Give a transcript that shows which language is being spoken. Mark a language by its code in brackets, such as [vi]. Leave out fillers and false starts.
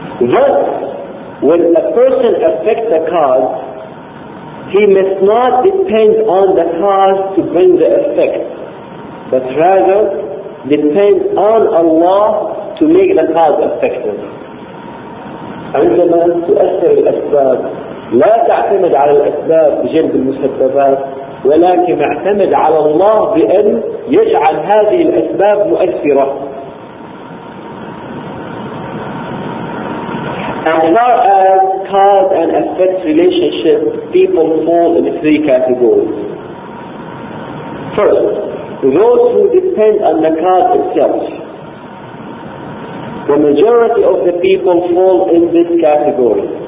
[en] Thus, when a person affects the cause, he must not depend on the cause to bring the effect, but rather depend on Allah to make the cause effective. [ar] عندما تؤثر الأسباب لا تعتمد على الأسباب بجلب المسببات ولكن اعتمد على الله بأن يجعل هذه الأسباب مؤثرة. [en] As far as cause and effect relationship, people fall in three categories. First, those who depend on the cause itself. The majority of the people fall in this category.